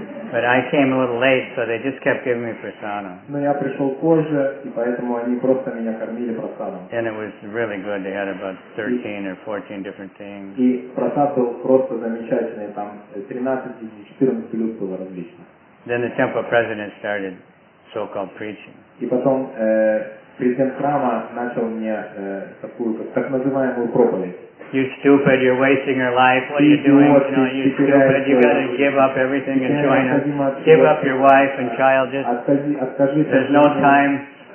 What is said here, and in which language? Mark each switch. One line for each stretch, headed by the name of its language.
English: But I came a little late, so they just kept giving me prasadam.
Russian: Но я пришел позже, и поэтому они просто меня кормили прасадом.
English: And it was really good. They had about 13 or 14 different things.
Russian: И прасад был просто замечательный. Там 13 или 14 блюд было различно.
English: Then the temple president started so-called preaching.
Russian: И потом президент храма начал мне такую так называемую проповедь.
English: You stupid, you're wasting your life, what are you doing? You know, you stupid, you gotta give up everything and join us. Give up your wife and child, just there's no time.